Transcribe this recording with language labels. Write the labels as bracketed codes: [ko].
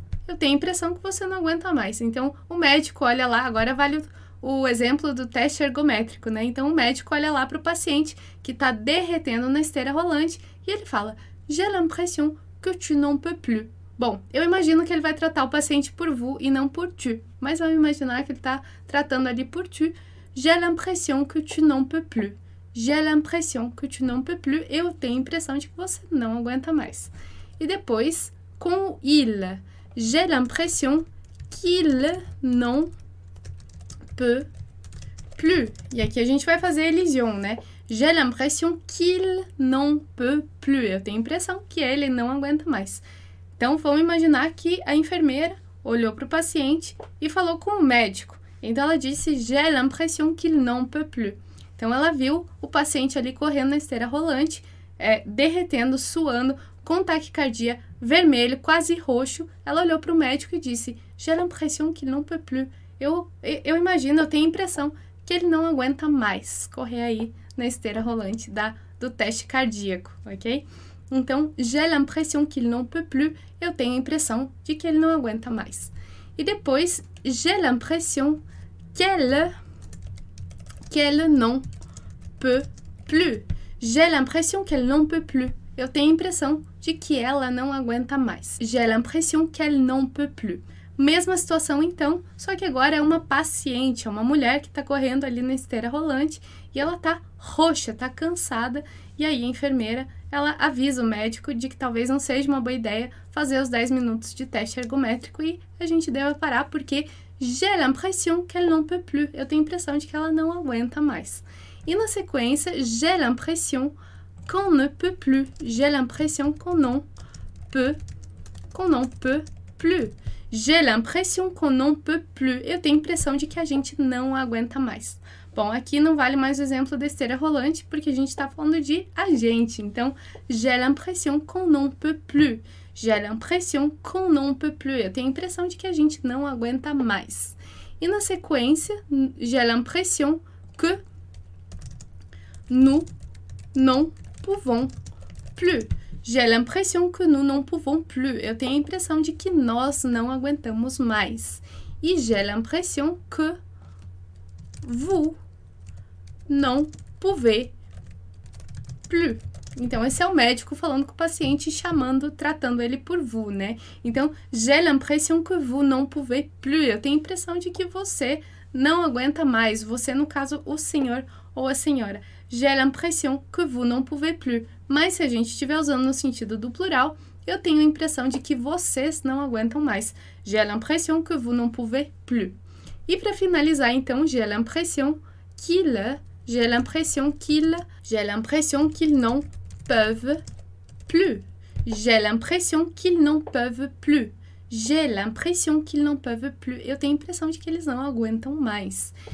[pt] Eu tenho a impressão que você não aguenta mais. Então, o médico olha lá, agora vale o exemplo do teste ergométrico, né? Então, o médico olha lá para o paciente que está derretendo na esteira rolante e ele fala: [fr] J'ai l'impression que tu n'en peux plus. [pt] Bom, eu imagino que ele vai tratar o paciente por vous e não por tu, mas vamos imaginar que ele está tratando ali por tu. [fr] J'ai l'impression que tu n'en peux plus. J'ai l'impression que tu n'en peux plus. [pt] Eu tenho a impressão de que você não aguenta mais. E depois, com il. [fr] J'ai l'impression qu'il n'en peut plus. [pt] E aqui a gente vai fazer élision, né? [fr] J'ai l'impression qu'il n'en peut plus. [pt] Eu tenho a impressão que ele não aguenta mais. Então, vamos imaginar que a enfermeira olhou para o paciente e falou com o médico. Então, ela disse: [fr] J'ai l'impression qu'il n'en peut plus. [pt] Então, ela viu o paciente ali correndo na esteira rolante, derretendo, suando, com taquicardia, vermelho, quase roxo. Ela olhou para o médico e disse: [fr] J'ai l'impression qu'il n'en peut plus. [pt] Eu imagino, eu tenho a impressão que ele não aguenta mais correr aí na esteira rolante do teste cardíaco, ok? [fr] Então, j'ai l'impression qu'il n'en peut plus. [pt] Eu tenho a impressão de que ele não aguenta mais. E depois, [fr] j'ai l'impression qu'elle n'en peut plus. J'ai l'impression qu'elle n'en peut plus. [pt] Eu tenho a impressão de que ela não aguenta mais. [fr] J'ai l'impression qu'elle n'en peut plus. [pt] Mesma situação então, só que agora é uma paciente, é uma mulher que está correndo ali na esteira rolante e ela tá roxa, tá cansada, e aí a enfermeira, ela avisa o médico de que talvez não seja uma boa ideia fazer os 10 minutos de teste ergométrico e a gente deve parar porque [fr] j'ai l'impression qu'elle n'en peut plus. [pt] Eu tenho a impressão de que ela não aguenta mais. E na sequência, [fr] j'ai l'impression qu'on ne peut plus. J'ai l'impression qu'on n'en peut plus. J'ai l'impression qu'on n'en peut plus. [pt] Eu tenho a impressão de que a gente não aguenta mais. Bom, aqui não vale mais o exemplo da esteira rolante, porque a gente está falando de a gente. [fr] Então, j'ai l'impression qu'on n'en peut plus. J'ai l'impression qu'on n'en peut plus. [pt] Eu tenho a impressão de que a gente não aguenta mais. E na sequência, [fr] j'ai l'impression que nous n'en pouvons plus. J'ai l'impression que nous n'en pouvons plus. [pt] Eu tenho a impressão de que nós não aguentamos mais. [fr] E j'ai l'impression que vous n'en pouvez plus. [pt] Então, esse é o médico falando com o paciente, chamando, tratando ele por vous, né? Então, [fr] j'ai l'impression que vous n'en pouvez plus. [pt] Eu tenho a impressão de que você não aguenta mais. Você, no caso, o senhor ou a senhora. [fr] J'ai l'impression que vous n'en pouvez plus. [pt] Mas se a gente estiver usando no sentido do plural, eu tenho a impressão de que vocês não aguentam mais. [fr] J'ai l'impression que vous n'en pouvez plus. [pt] E para finalizar, então, [fr] j'ai l'impression qu'ils n'en peuvent plus. J'ai l'impression qu'ils n'en peuvent plus. J'ai l'impression qu'ils n'en peuvent plus. [pt] Eu tenho a impressão de que eles não aguentam mais.